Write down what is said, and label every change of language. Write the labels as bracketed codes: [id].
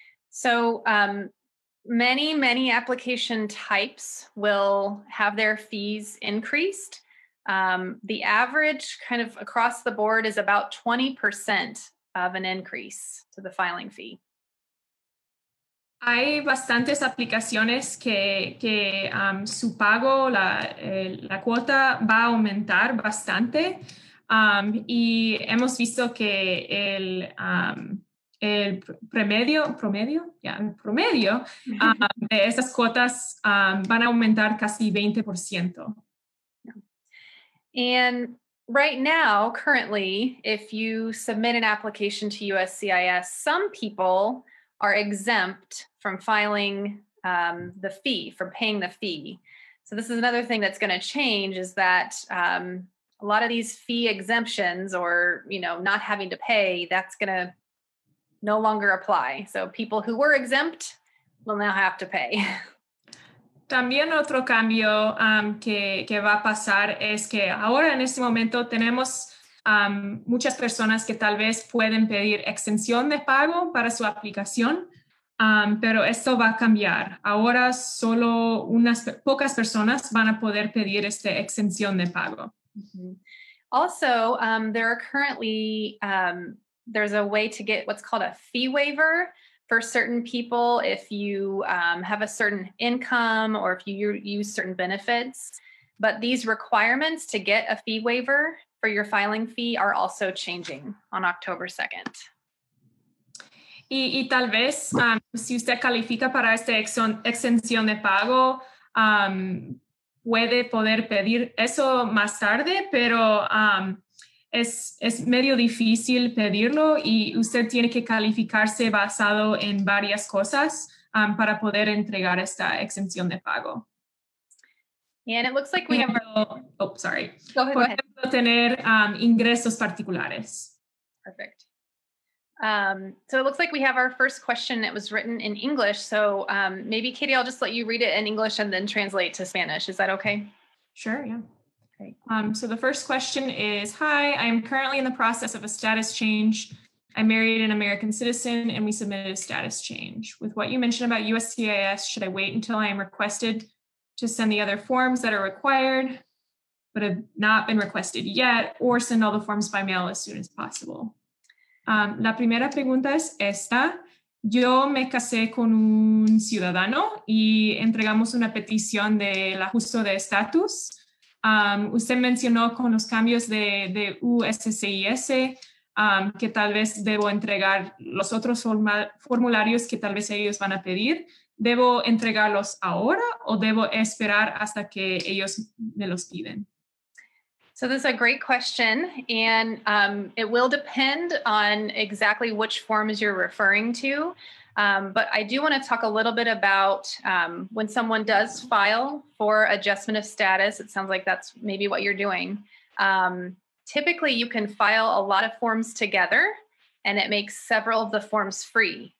[en] So, many, many application types will have their fees increased. The average kind of across the board is about 20% of an increase to the filing fee. [es] Hay bastantes aplicaciones que su pago, la cuota va a aumentar bastante. Y hemos visto que el promedio de esas cuotas van a aumentar casi 20%. [en] And right now, currently, if you submit an application to USCIS, some people are exempt from filing the fee, from paying the fee. So this is another thing that's going to change is that a lot of these fee exemptions or, you know, not having to pay, that's going to no longer apply. So people who were exempt will now have to pay. [es] También otro cambio que va a pasar es que ahora en este momento tenemos muchas personas que tal vez pueden pedir exención de pago para su aplicación, pero esto va a cambiar. Ahora solo unas pocas personas van a poder pedir esta exención de pago. Mm-hmm. [en] Also, there are currently, there's a way to get what's called a fee waiver for certain people if you have a certain income or if you use certain benefits. But these requirements to get a fee waiver for your filing fee are also changing on October 2nd. [es] Y tal vez si usted califica para esta exención de pago, puede poder pedir eso más tarde, pero es medio difícil pedirlo y usted tiene que calificarse basado en varias cosas para poder entregar esta exención de pago. [en] And it looks like we have... [es] Por ejemplo, tener ingresos particulares. [en] Perfect. So it looks like we have our first question that was written in English. So maybe, Katie, I'll just let you read it in English and then translate to Spanish. Is that okay? Sure, yeah. So the first question is, hi, I am currently in the process of a status change. I married an American citizen and we submitted a status change. With what you mentioned about USCIS, should I wait until I am requested to send the other forms that are required but have not been requested yet or send all the forms by mail as soon as possible? [es] La primera pregunta es esta. Yo me casé con un ciudadano y entregamos una petición del ajuste de estatus. Usted mencionó con los cambios de USCIS que tal vez debo entregar los otros formularios que tal vez ellos van a pedir. ¿debo entregarlos ahora o debo esperar hasta que ellos me los piden? [en] So this is a great question, and it will depend on exactly which forms you're referring to. But I do want to talk a little bit about when someone does file for adjustment of status. It sounds like that's maybe what you're doing. Typically, you can file a lot of forms together, and it makes several of the forms free.